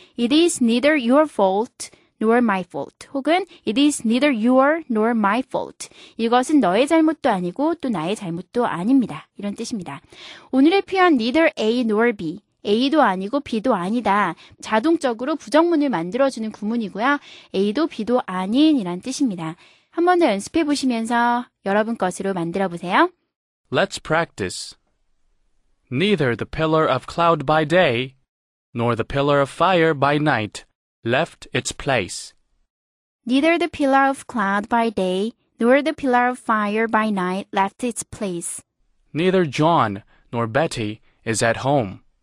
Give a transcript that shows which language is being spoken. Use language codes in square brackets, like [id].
[en] It is neither your fault nor my fault. [ko] 혹은 [en] it is neither your nor my fault. [ko] 이것은 너의 잘못도 아니고 또 나의 잘못도 아닙니다. 이런 뜻입니다. 오늘의 표현 [en] neither A nor B. [ko] A도 아니고 B도 아니다. 자동적으로 부정문을 만들어주는 구문이고요. A도 B도 아닌 이란 뜻입니다. 한 번 더 연습해 보시면서 여러분 것으로 만들어 보세요. [en] Let's practice. Neither the pillar of cloud by day, nor the pillar of fire by night, left its place. Neither the pillar of cloud by day, nor the pillar of fire by night, left its place. Neither John nor Betty is at home.